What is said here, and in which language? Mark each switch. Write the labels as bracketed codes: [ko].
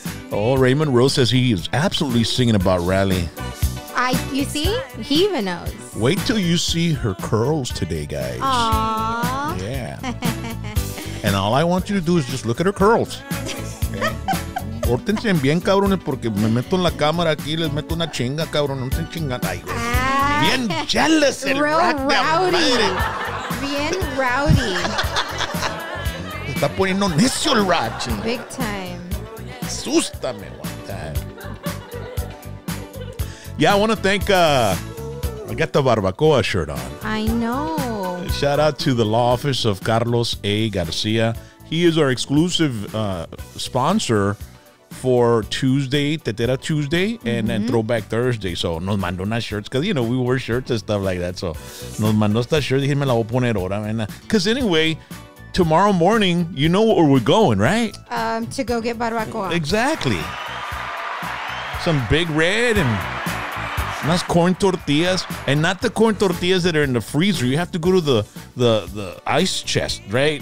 [en] Oh, Raymond Rose says he is absolutely singing about Riley. You see? He even knows. Wait till you see her curls today, guys. Aww. Yeah. And all I want you to do is just look at her curls. [es] Pórtense bien, cabrones, porque me meto en la cámara aquí y les meto una chinga, cabrón. No estén chingando. Ay, bien [en] jealous. Real rowdy. [es] Bien [en] rowdy. [es] Está poniendo necio el rachi. [en] Big time. [es] Asústame [en] one time. Yeah, I want to thank, I got the barbacoa shirt on. I know. Shout out to the law office of Carlos A. Garcia. He is our exclusive sponsor for Tuesday, Tetera Tuesday, and then Throwback Thursday. So, [es] nos mandó unas [en] shirts, because, you know, we wear shirts and stuff like that. [es] So, nos mandó esta shirt, dije, me la voy a poner ahora. [en] Because anyway, tomorrow morning, you know where we're going, right? To go get barbacoa. Exactly. Some big red and nice corn tortillas. And not the corn tortillas that are in the freezer. You have to go to the ice chest, right?